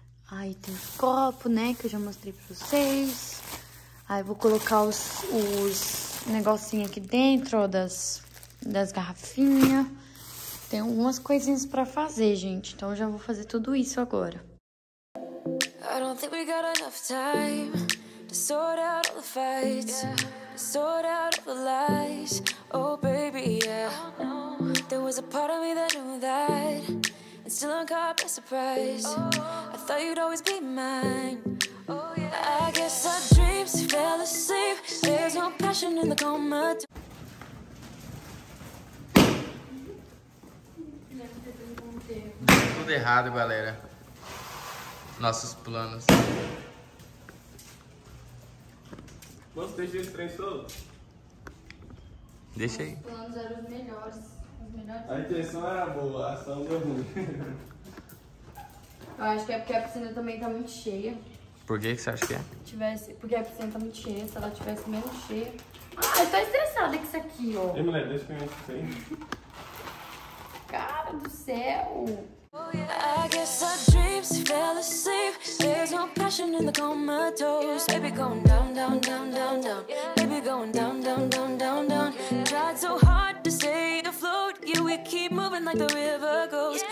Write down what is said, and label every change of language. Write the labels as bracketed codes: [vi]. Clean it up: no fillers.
[pt] Aí tem os copos, né? Que eu já mostrei pra vocês. Aí eu vou colocar os negocinhos aqui dentro, ó, das garrafinhas. Tem algumas coisinhas pra fazer, gente. Então eu já vou fazer tudo isso agora. [en] I don't think we got enough time to sort out all the fights, to sort out all the lies. Oh baby, yeah. There was a part of me that knew that, and still I'm caught by surprise. I thought you'd always be mine. Oh yeah. I guess our dreams fell asleep. There's no passion in the coma. [pt] Tudo errado, galera. Nossos planos. Mano, deixa esse trem solto. Deixa aí. Os planos eram os melhores. A intenção era boa, a ação deu ruim. Eu acho que é porque a piscina também tá muito cheia. Por que você acha que é? Porque a piscina tá muito cheia. Se ela tivesse menos cheia. Ah, eu tô estressada com isso aqui, ó. Ei, mulher, deixa eu ver isso aí. Cara do céu. [en] Oh, yeah. I guess our dreams fell asleep. There's no passion in the comatose. Baby going down, down, down, down, down. Baby going down, down, down, down, down. Tried so hard to stay afloat. Yeah, we keep moving like the river goes.